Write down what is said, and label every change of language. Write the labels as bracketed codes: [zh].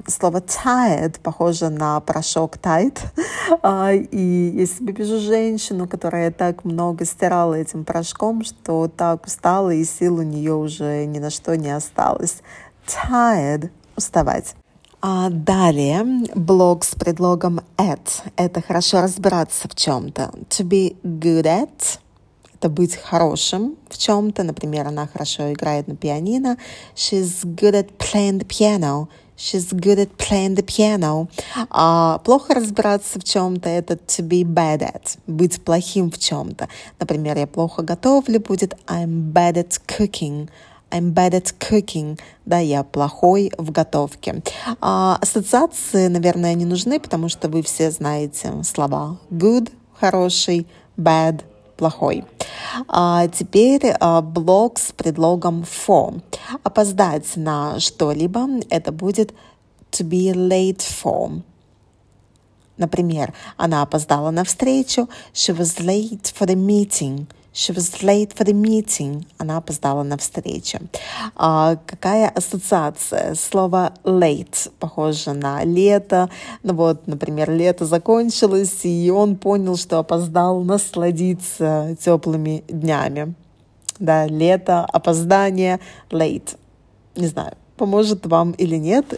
[ru] Слово tired похоже на порошок Tide. И я себе пишу женщину, которая так много стирала этим порошком, что так устала, и сил у нее уже ни на что не осталось. Tired — уставать. Далее блок с предлогом at. Это хорошо разбираться в чем-то. [en] To be good at. [ru] Это быть хорошим в чем-то. Например, она хорошо играет на пианино. [en] She's good at playing the piano. She's good at playing the piano. [ru] А плохо разбираться в чем-то — это [en] to be bad at. [ru] Быть плохим в чем-то. Например, я плохо готовлю — будет [en] I'm bad at cooking. I'm bad at cooking. [ru] Да, я плохой в готовке. Ассоциации, наверное, не нужны, потому что вы все знаете слова. Good — хороший, bad — плохой. Теперь блок с предлогом for. Опоздать на что-либо — это будет [en] to be late for. [ru] Например, она опоздала на встречу. [en] She was late for the meeting. She was late for the meeting. [ru] Она опоздала на встречу. Какая ассоциация? Слово late похоже на лето. Ну вот, например, лето закончилось, и он понял, что опоздал насладиться теплыми днями. Да, лето, опоздание, late. Не знаю, поможет вам или нет.